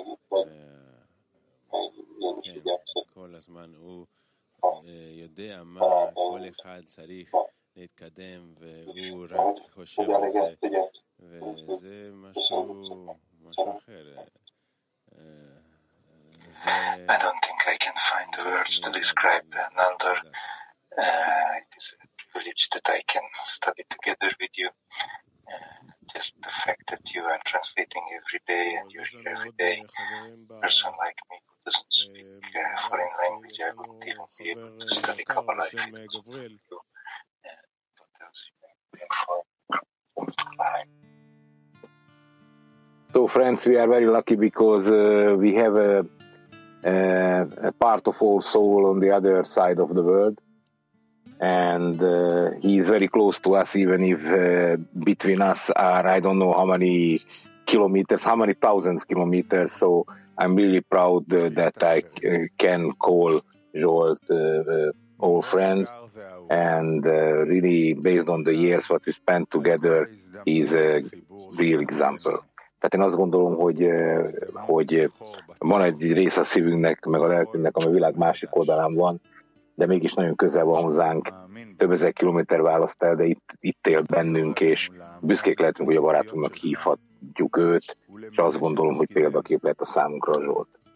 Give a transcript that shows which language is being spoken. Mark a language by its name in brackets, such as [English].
[Hebrew] כן, כל הזמן הוא יודע מה כל אחד צריך להתקדם, והוא רק חושב על זה, וזה משהו [English] I don't think I can find the words to describe Nandor. It is a privilege that I can study together with you. Just the fact that you are translating every day and you're here every day, a person like me who doesn't speak a foreign language, I wouldn't even be able to study Kabbalah if it was for you. What else you can bring for life? So friends, we are very lucky because we have a a part of our soul on the other side of the world. And he is very close to us, even if between us are, I don't know how many kilometers, how many thousands kilometers. So I'm really proud that I can call Joel old friend. And really, based on the years what we spent together, he's a real example. [Hungarian] Tehát én azt gondolom, hogy van egy rész a szívünknek, meg a lelkünknek, ami a világ másik oldalán van, de mégis nagyon közel van hozzánk, több ezer kilométer választ el, de itt él bennünk, és büszkék lehetünk, hogy a barátunknak hívhatjuk őt, és azt gondolom, hogy példakép lehet a számunkra Zsolt.